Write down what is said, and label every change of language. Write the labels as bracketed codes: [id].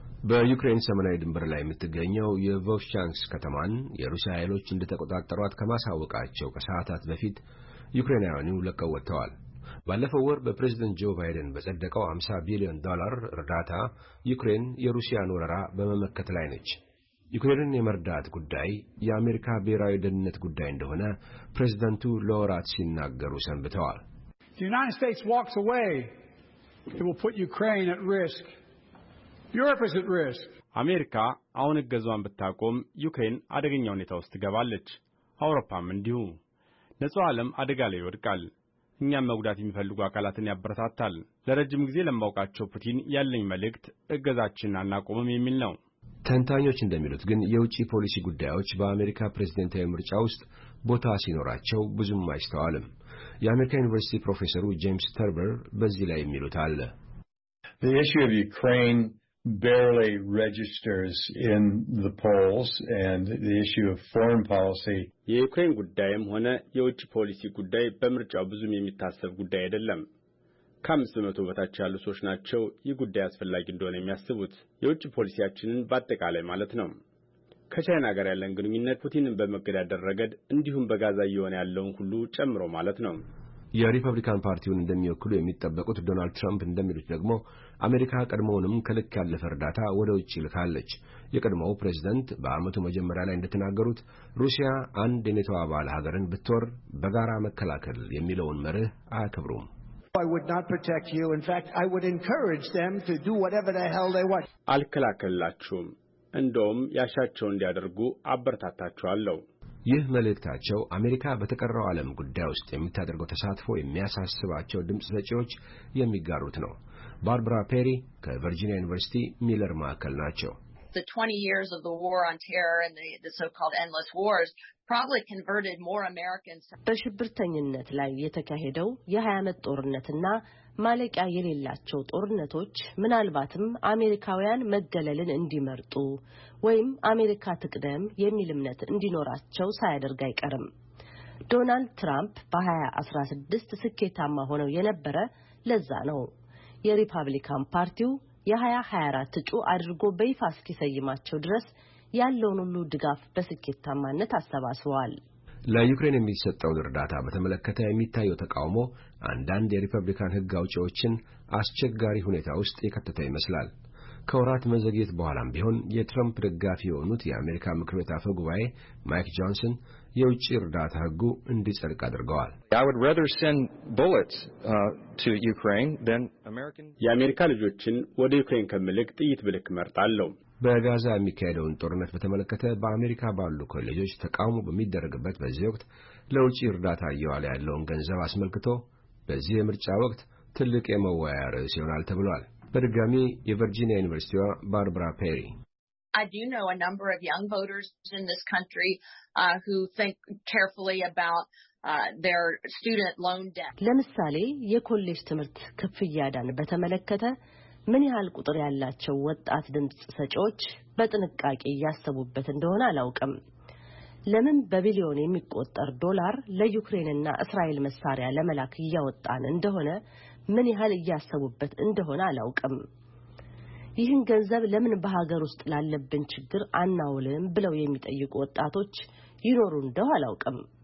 [am] በዩክሬን ሰሜናዊ ድንበር ላይ የምትገኘው የቮቭቻንስ ከተማን የሩሲያ ኃይሎች እንደተቆጣጠሯት ከማሳወቃቸው ከሰዓታት በፊት ዩክሬናውያኑ ለቀው ወጥተዋል። ባለፈው ወር በፕሬዝደንት ጆ ባይደን በጸደቀው 50 ቢሊዮን ዶላር እርዳታ ዩክሬን የሩሲያን ወረራ በመመከት ላይ ነች። ዩክሬንን የመርዳት ጉዳይ የአሜሪካ ብሔራዊ ደህንነት ጉዳይ እንደሆነ ፕሬዝደንቱ ለወራት ሲናገሩ ሰንብተዋል። [en] The United States walks away, it will put Ukraine at risk. Europe is at risk. [am] አሜሪካ አሁን እገዛውን በታቆም ዩክሬን አደገኛው ኔታ ውስጥ ገባለች። አውሮፓም እንዲሁ። ንጹህ ዓለም አደጋ ላይ ወድቃል። እኛም መጉዳት የሚፈልጉ አካላትን ያበረታታል። ለረጅም ጊዜ ለማውቃቸው ፑቲን ያለኝ መልእክት እገዛችንን አናቆምም የሚል ነው። ተንታኞች እንደሚሉት ግን የውጪ ፖሊሲ ጉዳዮች በአሜሪካ ፕሬዝዳንታዊ ምርጫ ውስጥ ቦታ ሲኖራቸው ብዙም አይስተዋልም። የአሜሪካ ዩኒቨርሲቲ ፕሮፌሰሩ ጄምስ ተርበር በዚህ ላይ የሚሉት አለ። [en] The issue of Ukraine barely registers in the polls and the issue of foreign policy [am] የዩክሬን ጉዳይም ሆነ የውጭ ፖሊሲ ጉዳይ በመርጫው ብዙም የሚታሰብ ጉዳይ አይደለም። ከ500 በታች ያሉ ሰዎች ናቸው የጉዳይ አስፈላጊ እንደሆነ የሚያስቡት። የውጭ ፖሊሲያችንን በአጠቃላይ ማለት ነው። ከቻይና ጋር ያለን ግንኙነት ፑቲንን በመገዳደር ረገድ እንዲሁም በጋዛ የሆነ ያለውን ሁሉ ጨምሮ ማለት ነው። የሪፐብሊካን ፓርቲውን እንደሚወክሉ የሚጠበቁት ዶናልድ ትራምፕ እንደሚሉት ደግሞ አሜሪካ ቀድሞውንም ከልክ ያለፈ እርዳታ ወደ ውጭ ልካለች። የቀድሞው ፕሬዝዳንት በአመቱ መጀመሪያ ላይ እንደተናገሩት ሩሲያ አንድ የኔቶ አባል ሀገርን ብትወር በጋራ መከላከል የሚለውን መርህ አያከብሩም። [en] I would not protect you. In fact, I would encourage them to do whatever the hell they want. [am] አልከላከላችሁም፣ እንደውም ያሻቸው እንዲያደርጉ አበረታታችኋለሁ። ይህ መልእክታቸው አሜሪካ በተቀረው ዓለም ጉዳይ ውስጥ የምታደርገው ተሳትፎ የሚያሳስባቸው ድምጽ ሰጪዎች የሚጋሩት ነው። ባርብራ ፔሪ ከቨርጂኒያ ዩኒቨርሲቲ ሚለር ማዕከል ናቸው። [en] The 20 years of the war on terror and the so-called endless wars probably converted more Americans. [am] በሽብርተኝነት ላይ የተካሄደው የ20 ዓመት ጦርነትና ማለቂያ የሌላቸው ጦርነቶች ምናልባትም አሜሪካውያን መገለልን እንዲመርጡ ወይም አሜሪካ ትቅደም የሚል እምነት እንዲኖራቸው ሳይደርግ አይቀርም። ዶናልድ ትራምፕ በ2016 ስኬታማ ሆነው የነበረ ለዛ ነው። የሪፐብሊካን ፓርቲው የ2024 እጩ አድርጎ በይፋ እስኪሰይማቸው ድረስ ያለውን ሁሉ ድጋፍ በስኬታማነት አስተባብሯል። ለዩክሬን የሚሰጠው እርዳታ በተመለከተ የሚታየው ተቃውሞ አንዳንድ የሪፐብሊካን ሕግ አውጪዎችን አስቸጋሪ ሁኔታ ውስጥ የከተተ ይመስላል። ከወራት መዘግየት በኋላም ቢሆን የትራምፕ ደጋፊ የሆኑት የአሜሪካ ምክር ቤት አፈ ጉባኤ ማይክ ጆንሰን የውጭ እርዳታ ሕጉ እንዲጸድቅ አድርገዋል። [en] I would rather send bullets to Ukraine than American [am] የአሜሪካ ልጆችን ወደ ዩክሬን ከመልክ ጥይት ብልክ መርጣለሁ። በጋዛ የሚካሄደውን ጦርነት በተመለከተ በአሜሪካ ባሉ ኮሌጆች ተቃውሞ በሚደረግበት በዚህ ወቅት ለውጭ እርዳታ እየዋለ ያለውን ገንዘብ አስመልክቶ በዚህ የምርጫ ወቅት ትልቅ የመወያያ ርዕስ ይሆናል ተብሏል። በድጋሚ የቨርጂኒያ ዩኒቨርሲቲዋ ባርብራ ፔሪ [en] I do know a number of young voters in this country who think carefully about their student loan debt. [am] ለምሳሌ የኮሌጅ ትምህርት ክፍያ ዳን በተመለከተ ምን ያህል ቁጥር ያላቸው ወጣት ድምጽ ሰጪዎች በጥንቃቄ ያሰቡበት እንደሆነ አላውቅም። ለምን በቢሊዮን የሚቆጠር ዶላር ለዩክሬንና እስራኤል መሳሪያ ለመላክ ያወጣን እንደሆነ ምን ያህል ያሰቡበት እንደሆነ አላውቅም። ይህን ገንዘብ ለምን በሀገር ውስጥ ላለብን ችግር አናውልም ብለው የሚጠይቁ ወጣቶች ይኖሩ እንደው አላውቅም።